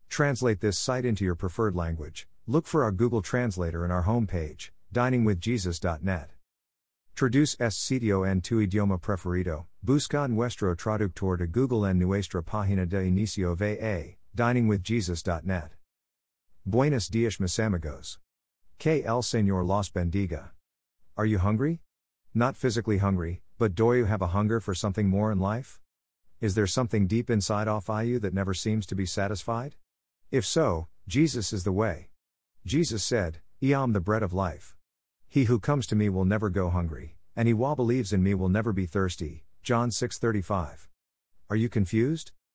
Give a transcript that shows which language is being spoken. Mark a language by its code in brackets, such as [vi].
[en] Translate this site into your preferred language. Look for our Google Translator in our homepage, diningwithjesus.net. [es] Traduce este sitio en tu idioma preferido, busca nuestro traductor de Google en nuestra página de inicio VA, diningwithjesus.net. Buenos dias, mis amigos. Que el Señor los bendiga. [en] Are you hungry? Not physically hungry, but do you have a hunger for something more in life? Is there something deep inside of you that never seems to be satisfied? If so, Jesus is the way. Jesus said, I am the bread of life. He who comes to me will never go hungry, and he who believes in me will never be thirsty, John 6:35. Are you confused?